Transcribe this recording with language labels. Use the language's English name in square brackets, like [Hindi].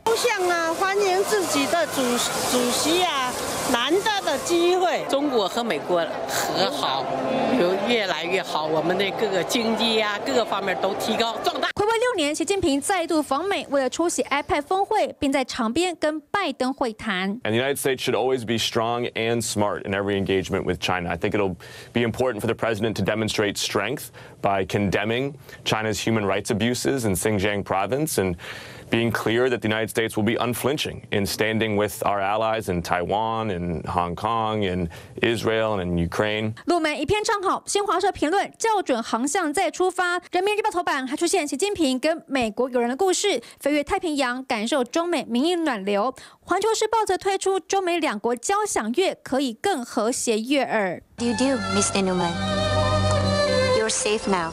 [Chinese] 都像啊，欢迎自己的主席啊，难得的机会。中国和美国和好，有越来越好，我们的各个经济啊，各个方面都提高壮大。暌违6年，习近平再度访美，为了出席 APEC 峰会，并在场边跟拜登会谈。 [English] And the United States should always be strong and smart in every engagement with China. I think it'll be important for the president to demonstrate strength by condemning China's human rights abuses in Xinjiang province and being clear that the United States will be unflinching in standing with our allies in Taiwan and Hong Kong and Israel and Ukraine. [Chinese] 路媒一片唱好，新华社评论校准航向再出发。人民日报头版还出现习近平跟美国友人的故事，飞越太平洋，感受中美民意暖流。环球时报则推出中美两国交响乐，可以更和谐悦耳。 [English] Do you do, Mr. Newman? Safe now.